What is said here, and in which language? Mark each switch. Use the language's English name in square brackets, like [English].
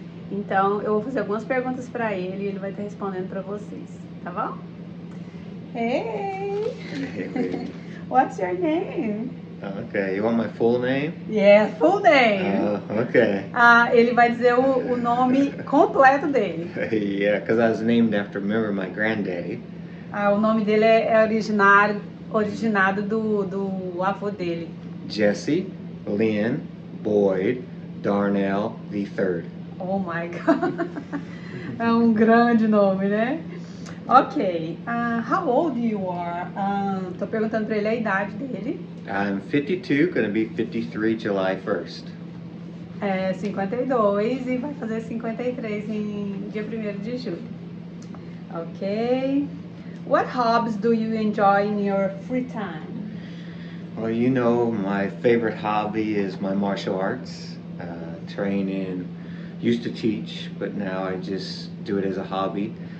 [Portuguese] Então, eu vou fazer algumas perguntas para ele e ele vai estar respondendo para vocês, tá bom? [English] Hey, what's your name? okay, you want my full name? Yes, full name. Okay. [Portuguese] Ah, ele vai dizer o nome completo dele. [English] Yeah, because I was named after, remember, my granddaddy. [Portuguese] Ah, o nome dele é originado do avô dele. [English] Jesse Lynn Boyd Darnell the Third. Oh my God. [Portuguese] É um grande nome, né? Ok. [English] How old you are? [Portuguese] Tô perguntando para ele a idade dele. [English] I'm 52, gonna be 53 July 1st. [Portuguese] É 52 e vai fazer 53 em dia 1º de julho. Ok. [English] What hobbies do you enjoy in your free time? Well, my favorite hobby is my martial arts. Training, used to teach, but now I just do it as a hobby.